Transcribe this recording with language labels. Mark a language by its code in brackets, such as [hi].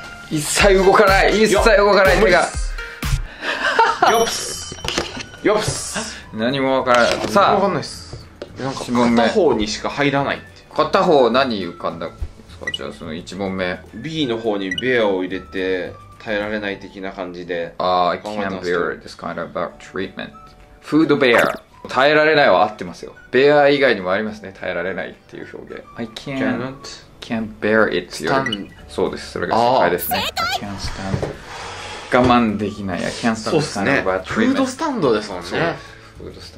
[ja] 一切動かない、一切動かない、手がよっすよっす。何も分からない。さあ、分かんないっす。なんか片方にしか入らないって。片方何浮かんだんですか。じゃあその1問目 B の方にベアを入れて耐えられない的な感じで、 [en] ああ、I can't bear this kind of bad treatment. Food bear。 [ja] 耐えられないは合ってますよ。ベア以外にもありますね、耐えられないっていう表現。 [en] I can't bear it. [ja] そうです、それが正解ですね。あ、正解。我慢できない。 [en] I can't stand about treatment。 [ja] フードスタンドですもんね。フードスタンド、